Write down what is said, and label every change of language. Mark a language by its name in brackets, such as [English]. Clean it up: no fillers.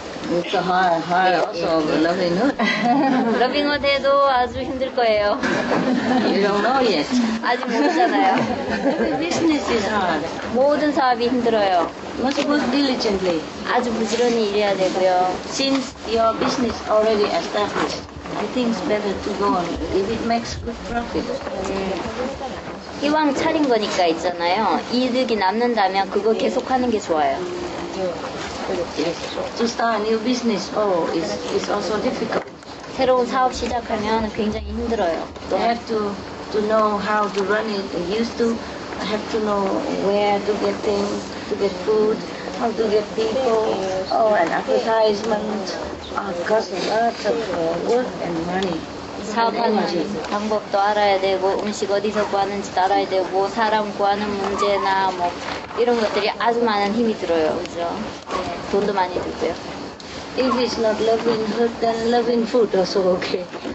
[English] It's so hard also loving [Korean] hood. Loving hood 해도 아주 힘들 거예요. [English] You don't know yet. [Korean] 아직 모르잖아요. [English] Business is hard. [Korean] 모든 사업이 힘들어요. [English] Must work diligently. [Korean] 아주 부지런히 일해야 되고요. [English] Since your business already established, I think it's better to go on if it makes good profit. [Korean] 희망 차린 거니까 있잖아요. 이득이 남는다면 그거 계속하는 게 좋아요. [English] Yes. To start a new business, it's also difficult. [Korean] 새로운 사업 시작하면 굉장히 힘들어요. [English] You have to know how to run it. You used to have to know where to get things, to get food, how to get people. An advertisement costs a lot of work and money. [Korean] 사업하는 방법도 알아야 되고 음식 어디서 구하는지 알아야 되고 사람 구하는 문제나 뭐 이런 것들이 아주 많은 힘이 들어요, 그죠? 네, 돈도 많이 들고요. [English] If it's not loving food, then loving food also okay.